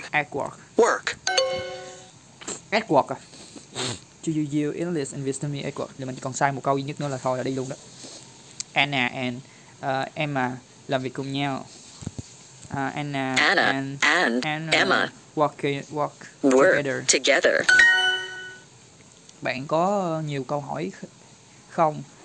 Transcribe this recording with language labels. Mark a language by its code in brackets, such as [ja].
[en] Do you use English and at work? Do you use English and Vietnamese at work? [vi] Thì mình còn sai một câu duy nhất nữa là thôi, là đi luôn đó. Anna and Emma làm việc cùng nhau. [en] Anna and Emma work together. [vi] Bạn có nhiều câu hỏi không?